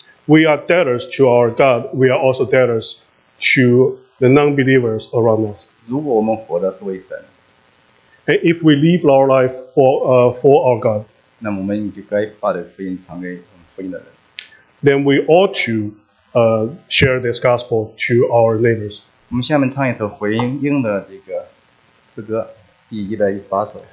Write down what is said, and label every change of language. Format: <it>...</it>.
<en>We are debtors to our God. We are also debtors to the non-believers around us.</en> <zh>如果我们活的是为神,</zh> <en>and if we live our life for our God,</en> <zh>那我们就该把这福音传给我们福音的人,</zh> <en>then we ought to share this gospel to our neighbors.</en> <zh>我们下面唱一首回应的这个诗歌第118首.</zh>